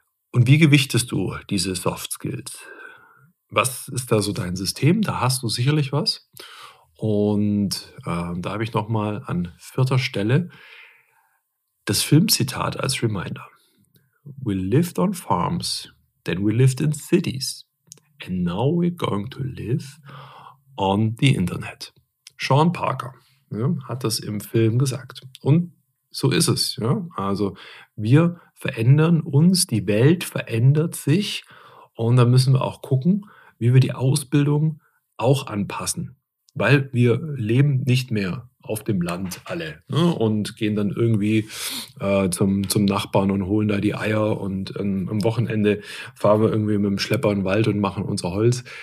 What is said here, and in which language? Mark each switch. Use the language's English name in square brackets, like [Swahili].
[German] Und wie gewichtest du diese Soft Skills? Was ist da so dein System? Da hast du sicherlich was. Und da habe ich nochmal an 4. Stelle das Filmzitat als Reminder. [English] We lived on farms, then we lived in cities, and now we're going to live on the internet. [German] Sean Parker, ja, hat das im Film gesagt. Und so ist es. Ja? Also wir verändern uns, die Welt verändert sich und da müssen wir auch gucken, wie wir die Ausbildung auch anpassen, weil wir leben nicht mehr auf dem Land alle, ne, und gehen dann irgendwie zum Nachbarn und holen da die Eier und am Wochenende fahren wir irgendwie mit dem Schlepper in den Wald und machen unser Holz.